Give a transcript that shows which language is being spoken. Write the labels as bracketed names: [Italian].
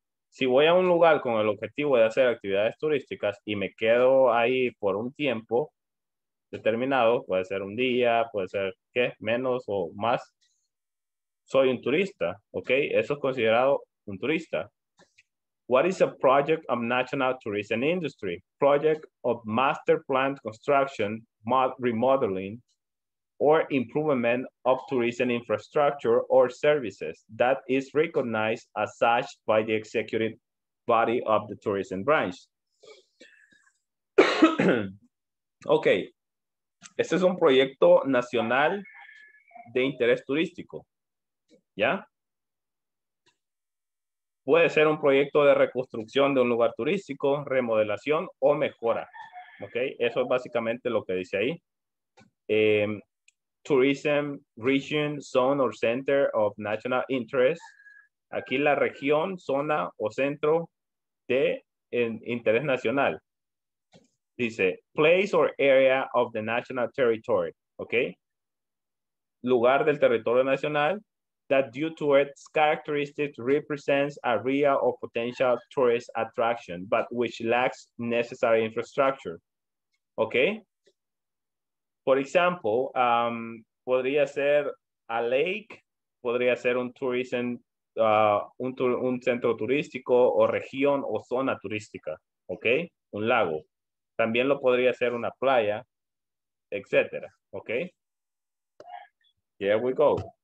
[Spanish] Si voy a un lugar con el objetivo de hacer actividades turísticas y me quedo ahí por un tiempo determinado, puede ser un día, puede ser, ¿qué? Menos o más. soy un turista, okay? Eso es considerado un turista. [English] What is a project of national tourism industry? Project of master plan construction, remodeling, or improvement of tourism infrastructure or services that is recognized as such by the executive body of the tourism branch. [Spanish] Okay, este es un proyecto nacional de interés turístico, ¿ya? Puede ser un proyecto de reconstrucción de un lugar turístico, remodelación o mejora, ¿ok? Eso es básicamente lo que dice ahí. [English] Tourism region, zone or center of national interest. [Spanish] Aquí la región, zona o centro de interés nacional. Dice, [English] place or area of the national territory, ¿ok? [Spanish] Lugar del territorio nacional. [English] That due to its characteristics represents a real or potential tourist attraction, but which lacks necessary infrastructure. Okay. For example, [Spanish] podría ser [English] a lake, [Spanish] podría ser un tourism, un centro turístico o región o zona turística. Okay. Un lago. También lo podría ser una playa, etc. Okay. [English] Here we go.